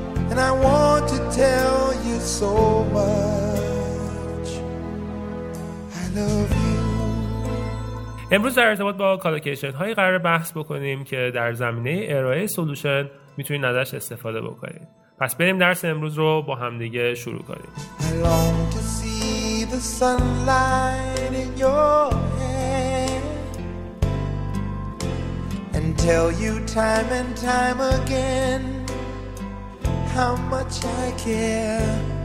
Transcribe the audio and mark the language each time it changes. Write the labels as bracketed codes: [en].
[en] And I want to tell you so much. I love you. [fa] امروز در ارتباط با کالوکیشن های قرار بحث بکنیم که در زمینه ارائه سولوشن میتونین ازش استفاده بکنین. پس بریم درس امروز رو با همدیگه شروع کنیم. [en] I long to see the sunlight in your hair and tell you time and time again how much I care.